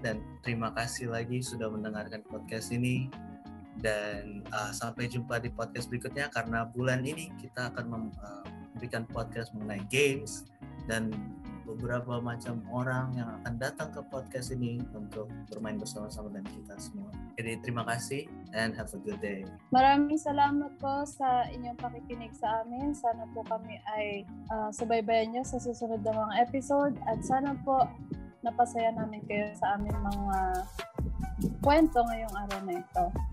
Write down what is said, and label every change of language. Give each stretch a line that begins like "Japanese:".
Indonesian: Dan terima kasih lagi sudah mendengarkan podcast ini. Dan sampai jumpa di podcast berikutnya. Karena bulan ini kita akan memberikan podcast mengenai games dan beberapa macam orang yang akan datang ke podcast ini untuk bermain bersama-sama dengan kita semua. Jadi terima kasih
English: and have a good day.
Filipino: Maraming salamat po sa inyong pakikinig sa amin. Sana po kami ay sabay-bayan niyo sa susunod na mga episode at sana po napasaya namin kayo sa aming mga kwento ngayong araw na ito.